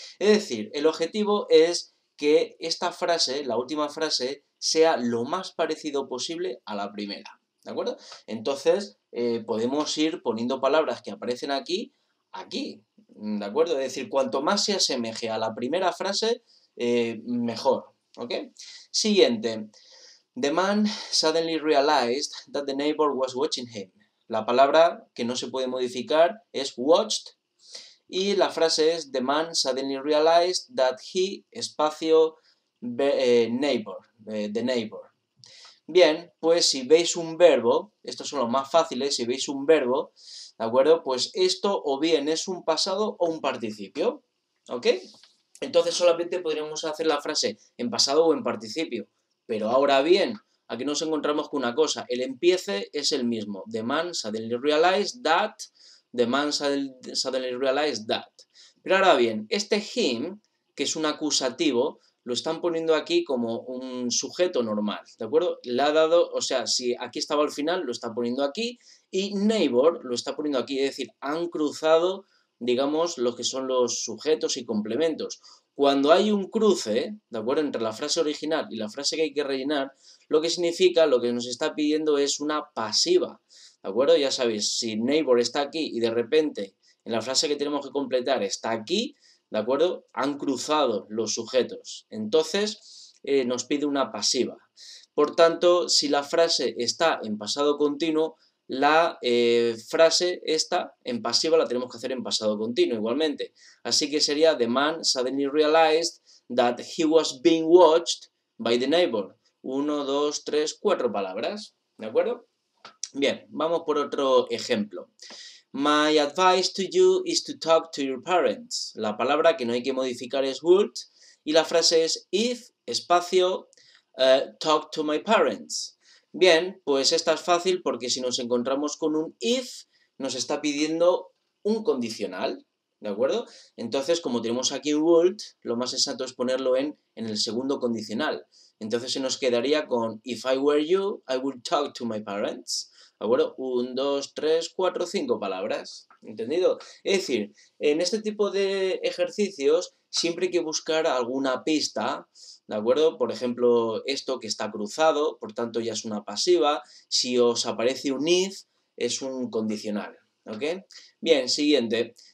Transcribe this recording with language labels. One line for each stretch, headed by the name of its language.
Spanish: Es decir, el objetivo es que esta frase, la última frase, sea lo más parecido posible a la primera, ¿de acuerdo? Entonces podemos ir poniendo palabras que aparecen aquí, aquí, ¿de acuerdo? Es decir, cuanto más se asemeje a la primera frase, mejor, ¿ok? Siguiente.
English: The man suddenly realized that the neighbor was watching him.
Spanish: La palabra que no se puede modificar es watched. Y la frase es
English: the man suddenly realized that he,
Spanish: espacio,
English: neighbor, the neighbor.
Spanish: Bien, pues si veis un verbo, estos son los más fáciles, si veis un verbo, ¿de acuerdo? Pues esto o bien es un pasado o un participio, ¿ok? Entonces solamente podríamos hacer la frase en pasado o en participio. Pero ahora bien, aquí nos encontramos con una cosa, el empiece es el mismo.
English: The man suddenly realized that, the man suddenly realized that.
Spanish: Pero ahora bien, este him, que es un acusativo, lo están poniendo aquí como un sujeto normal, ¿de acuerdo? Le ha dado, o sea, si aquí estaba al final, lo está poniendo aquí, y neighbor lo está poniendo aquí, es decir, han cruzado, digamos, lo que son los sujetos y complementos. Cuando hay un cruce, ¿de acuerdo?, entre la frase original y la frase que hay que rellenar, lo que significa, lo que nos está pidiendo es una pasiva, ¿de acuerdo? Ya sabéis, si neighbor está aquí y de repente en la frase que tenemos que completar está aquí, ¿de acuerdo?, han cruzado los sujetos. Entonces, nos pide una pasiva. Por tanto, si la frase está en pasado continuo, la frase esta en pasiva la tenemos que hacer en pasado continuo igualmente. Así que sería,
English: the man suddenly realized that he was being watched by the neighbor.
Spanish: 1, 2, 3, 4 palabras. ¿De acuerdo? Bien, vamos por otro ejemplo.
English: My advice to you is to talk to your parents.
Spanish: La palabra que no hay que modificar es would. Y la frase es if, espacio,
English: talk to my parents.
Spanish: Bien, pues esta es fácil porque si nos encontramos con un if, nos está pidiendo un condicional, ¿de acuerdo? Entonces, como tenemos aquí un would, lo más sensato es ponerlo en el segundo condicional. Entonces se nos quedaría con
English: if I were you, I would talk to my parents.
Spanish: ¿De acuerdo? 1, 2, 3, 4, 5 palabras. ¿Entendido? Es decir, en este tipo de ejercicios siempre hay que buscar alguna pista, ¿de acuerdo? Por ejemplo, esto que está cruzado, por tanto ya es una pasiva. Si os aparece un if, es un condicional. ¿Ok? Bien, siguiente.